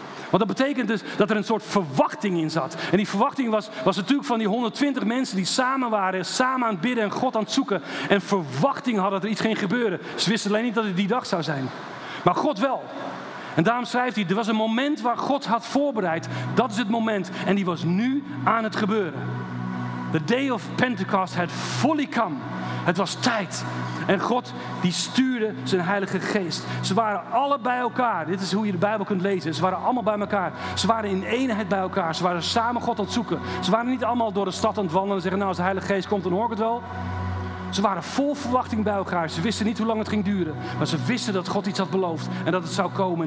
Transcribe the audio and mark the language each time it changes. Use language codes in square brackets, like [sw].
[nl] Want dat betekent dus dat er een soort verwachting in zat. En die verwachting was natuurlijk van die 120 mensen die samen waren, samen aan het bidden en God aan het zoeken. En verwachting hadden dat er iets ging gebeuren. Ze wisten alleen niet dat het die dag zou zijn. Maar God wel. En daarom schrijft hij, er was een moment waar God had voorbereid. Dat is het moment. En die was nu aan het gebeuren. [en] The day of Pentecost had fully come. [nl] Het was tijd. En God die stuurde zijn Heilige Geest. Ze waren alle bij elkaar. Dit is hoe je de Bijbel kunt lezen. Ze waren allemaal bij elkaar. Ze waren in eenheid bij elkaar. Ze waren samen God aan het zoeken. Ze waren niet allemaal door de stad aan het wandelen en zeggen, nou, als de Heilige Geest komt, dan hoor ik het wel. Ze waren vol verwachting bij elkaar. Ze wisten niet hoe lang het ging duren. Maar ze wisten dat God iets had beloofd en dat het zou komen.